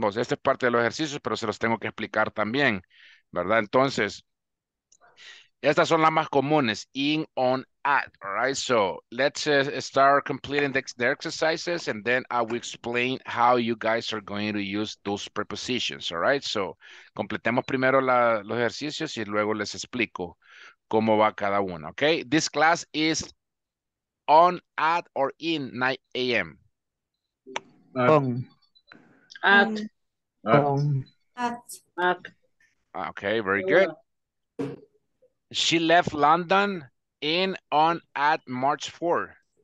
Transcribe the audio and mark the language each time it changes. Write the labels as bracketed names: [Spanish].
[Spanish] Pues, esta es parte de los ejercicios, pero se los tengo que explicar también, ¿verdad? Entonces, estas son las más comunes, [English] in, on, at, all right? So let's start completing the exercises and then I will explain how you guys are going to use those prepositions, all right? [Spanish] So completemos primero los ejercicios y luego les explico cómo va cada uno, okay? [English] This class is on, at, or in 9 a.m. At. Okay, very good. She left London in, on, at March 4.